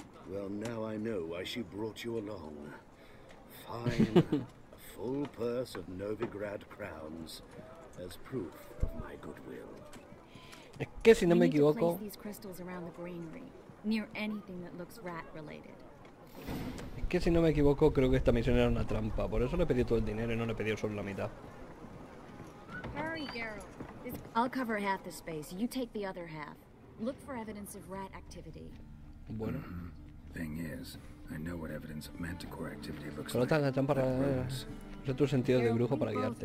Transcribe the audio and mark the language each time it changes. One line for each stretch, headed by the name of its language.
English: Well, now I know why she brought you along. Fine. A full purse of Novigrad crowns as proof of my goodwill.
Spanish: Es que si no me equivoco.
English: We need to place these crystals around the greenery, near anything that looks rat-related.
Spanish: Es que si no me equivoco, creo que esta misión era una trampa. Por eso le pedí todo el dinero y no le pedí solo la mitad.
English: Hurry, Geralt. I'll cover half the space. You take the other half. Look for evidence of rat activity.
Spanish: Bueno. Mm-hmm.
English: Thing is, I know what evidence of manticore activity looks
Spanish: pero
English: like.
Spanish: Tan para, es otro sentido de brujo para guiarte.